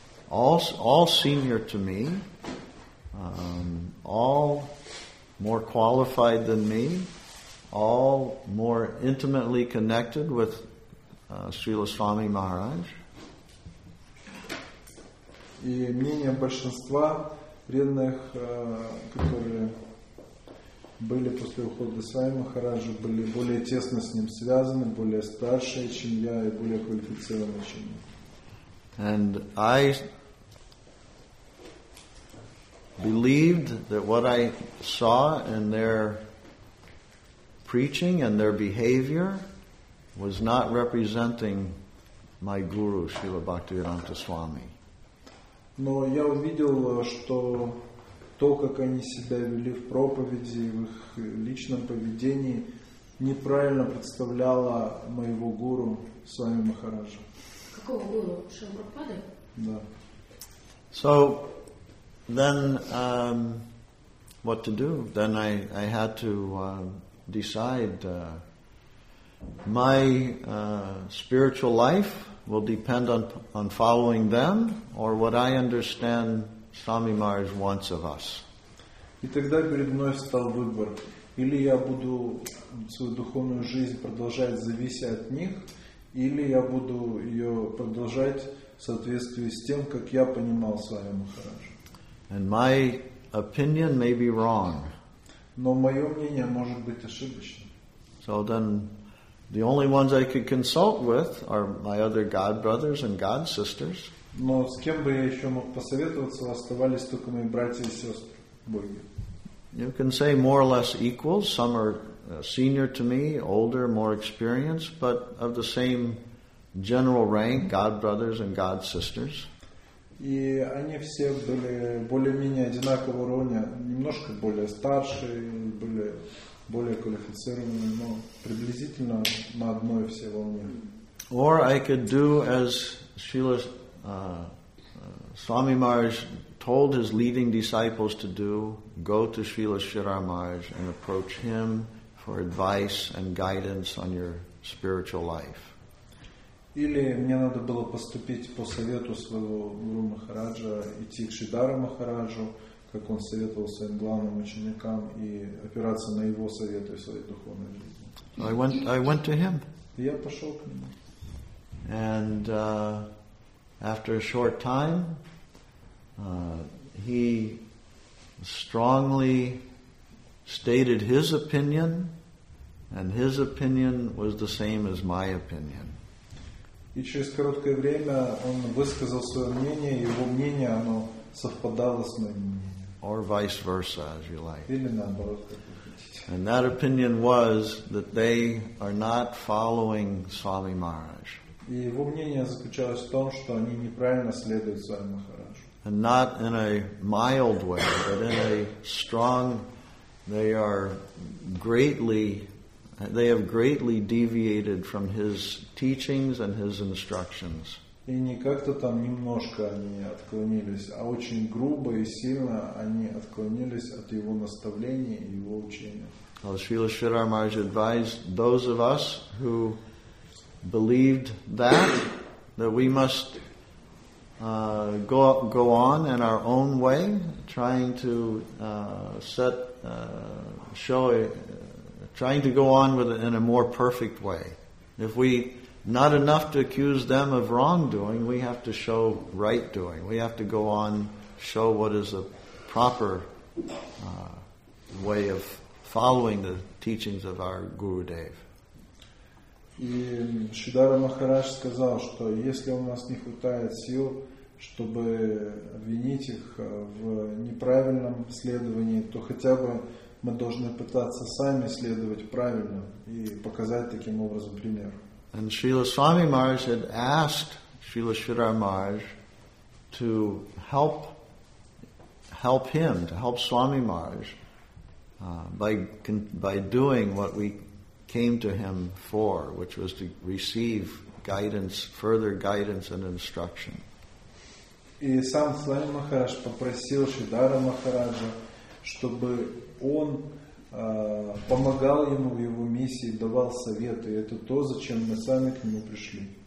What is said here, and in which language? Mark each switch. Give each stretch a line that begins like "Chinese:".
English: All senior to me, all more qualified than me, all more intimately connected with Srila Swami Maharaj.
Russian: И мнение большинства преданных, которые были после ухода Свами Махараджа, были более тесно с ним связаны, более старше, чем я, и более квалифицированы, чем я.
English: And I believed that what I saw in their preaching and their behavior was not representing my guru, Srila Bhaktivedanta Swami.
Russian: Но я увидел, что то, как они себя вели в проповеди, в их личном поведении, неправильно представляло моего гуру, Свами Махараджа. Какого гуру? Шивапрапады? Да.
English: So, then, what to do? Then I had to decide. My spiritual life will depend on following them, or what I understand Swami Maharaj wants of us.
Russian: И тогда перед мной встал выбор: или я буду свою духовную жизнь продолжать зависеть от них, или я буду ее продолжать в соответствии с тем, как я понимал Свами Махараджа.
English: And my opinion may be wrong.
Russian: Но мое мнение может быть ошибочным.
English: So then, The only ones I could consult with are my other God brothers and God sisters.
Russian: Но с кем бы я еще мог посоветоваться, оставались только мои братья и сестры Божьи.
English: You can say more or less equals. Some are senior to me, older, more experienced, but of the same general rank, God brothers and God sisters.
Russian: И они все были более-менее одинакового уровня, немножко более старшие, были более квалифицированные, но приблизительно на одной все волне.
English: Or I could do as Srila Swami Maharaj told his leading disciples to do, go to Srila Shridhar Maharaj and approach him for advice and guidance on your spiritual life.
Russian: Или мне надо было поступить по совету своего гуру Махараджа, идти к Шридхару Махараджу, как он советовал своим главным ученикам, и опираться на его советы в своей духовной жизни.
English: I went to him.
Russian: Я пошел к нему.
English: And after a short time, he strongly stated his opinion, and his opinion was the same as my opinion.
Russian: И через короткое время он высказал свое мнение, и его мнение, оно совпадало с моим мнением.
English: Or vice versa, as you like.
Russian: Или наоборот, как вы хотите.
English: And that opinion was that they are not following Swami Maharaj.
Russian: И его мнение заключалось в том, что они неправильно следуют Свами Махараджу.
English: And not in a mild way, but in a strong, they have greatly deviated from his teachings and his instructions.
Russian: И не как-то там немножко они отклонились, а очень грубо и сильно они отклонились от его наставления и его учения.
English: Well, Srila Shridhar Maharaj advised those of us who believed that we must go on in our own way, trying to go on in a more perfect way. If we not enough to accuse them of wrongdoing, we have to show right doing. We have to go on, show what is a proper way of following the teachings of our Gurudev.
Russian: И Шридхара Махарадж сказал, что если у нас не хватает сил, чтобы обвинить их в неправильном следовании, то хотя бы мы должны пытаться сами следовать правильно и показать таким образом пример.
English: And Srila Swami Maharaj had asked Srila Shridhar Maharaj to help him, to help Swami Maharaj by doing what we came to him for, which was to receive guidance, further guidance and instruction.
Russian: И сам Свами Махарадж попросил Шридхара Махараджа, чтобы он помогал ему в его миссии, давал советы. И это то, зачем мы сами к нему пришли.